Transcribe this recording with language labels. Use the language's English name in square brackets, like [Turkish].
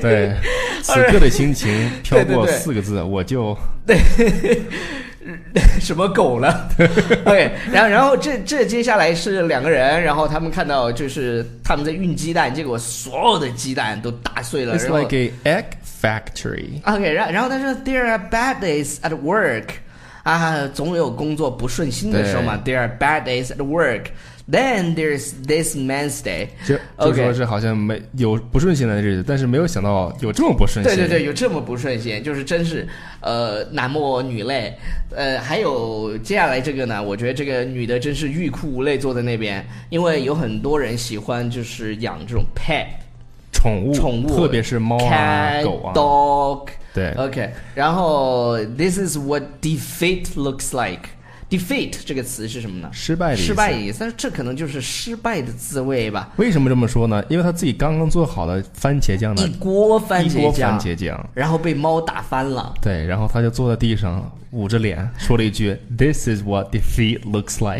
[Chinese] 对，此刻的心情飘过四个字，对对对，我就对什么狗了。 OK, 然后这接下来是两个人，然后他们看到就是他们在运鸡蛋，结果所有的鸡蛋都打碎了。 [English] It's like an egg. Factory. Okay, [Chinese] 然后他说 [English] There are bad days at work. [Chinese] 啊，总有工作不顺心的时候嘛。 [English] There are bad days at work. Then there's this man's day. [Chinese] 就说是好像没有不顺心的日子，但是没有想到有这么不顺心。对对对，有这么不顺心，就是真是男莫女泪。还有接下来这个呢，我觉得这个女的真是欲哭无泪坐在那边，因为有很多人喜欢就是养这种 pet 宠物，特别是猫啊、 [English] cat, [Chinese] 狗啊、 [English] dog。 [Chinese] 对，OK。然后 [English] this is what defeat looks like。 [Chinese] Defeat 这个词是什么呢？失败的意思。失败意思，但是这可能就是失败的滋味吧。为什么这么说呢？因为他自己刚刚做好的番茄酱呢，一锅番茄酱，然后被猫打翻了。对，然后他就坐在地上，捂着脸，说了一句 [English] "This is what defeat looks like"。